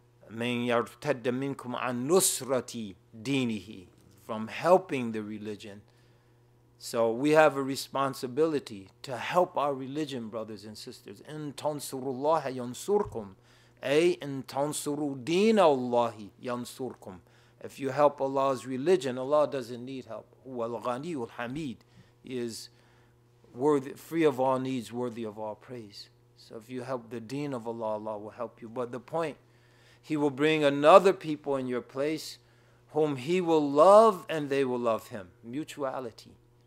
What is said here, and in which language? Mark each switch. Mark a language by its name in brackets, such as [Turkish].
[Arabic] من يرتد منكم عن نصرة دينه, [English] from helping the religion. So we have a responsibility to help our religion, brothers and sisters. [Arabic] إن تنصروا الله ينصركم, أي إن تنصروا دين الله ينصركم. [English] If you help Allah's religion, Allah doesn't need help. [Arabic] والغني والحميد, [English] He is worthy, free of all needs, worthy of all praise. So if you help the deen of Allah, Allah will help you. But the point, He will bring another people in your place whom He will love and they will love Him. Mutuality.